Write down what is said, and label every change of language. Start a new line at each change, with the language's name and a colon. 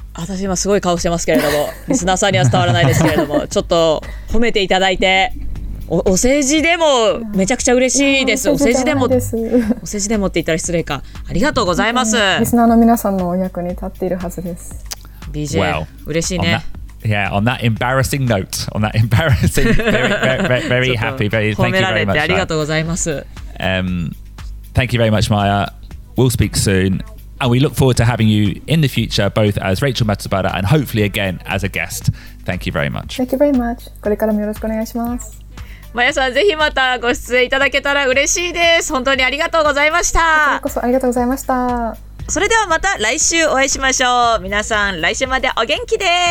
Japanese: 私今すごい顔してますけれども、リスナーさんには伝わらないですけれども、ちょっと褒めていただいて、 お世辞でもめちゃくちゃ嬉しいです。お世辞でもって言ったら失礼か。ありがとうございます。リスナーの皆さんのお役に立っているはずです。 BJ、wow. 嬉しいね。
English: Yeah, on that embarrassing note, on that embarrassing, very, very, very, very happy, very, thank you very much.
Japanese: 褒められてありがとうございます。
English: Thank you very much, Maya. We'll speak soon, and we look forward to having you in the future, both as Rachel Matsubara and hopefully again as a guest. Thank you very much. Thank you very much.
Japanese: これからもよろしくお願いします。マヤさん、ぜひまたご出演いただけたら嬉しいです。本当にありがとうございました。こちらこそありがとうございました。それではまた来週お会いしましょう。皆さん来週までお元気で。